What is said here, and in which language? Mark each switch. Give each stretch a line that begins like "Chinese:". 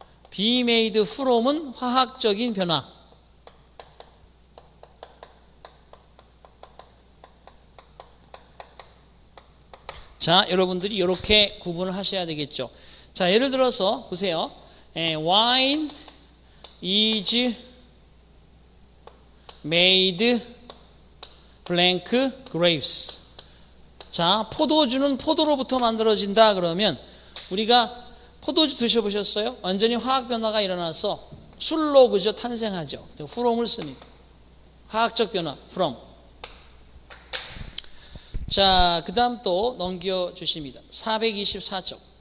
Korean: be made from은 화학적인 변화. 자, 여러분들이 이렇게 구분을 하셔야 되겠죠. 자, 예를 들어서 보세요.
English: Wine is made blank grapes.
Korean: 자, 포도주는 포도로부터 만들어진다. 그러면 우리가 포도주 드셔보셨어요? 완전히 화학 변화가 일어나서 술로 그저 탄생하죠. from을 씁니다. 화학적 변화, from. 자, 그 다음 또 넘겨주십니다. 424쪽.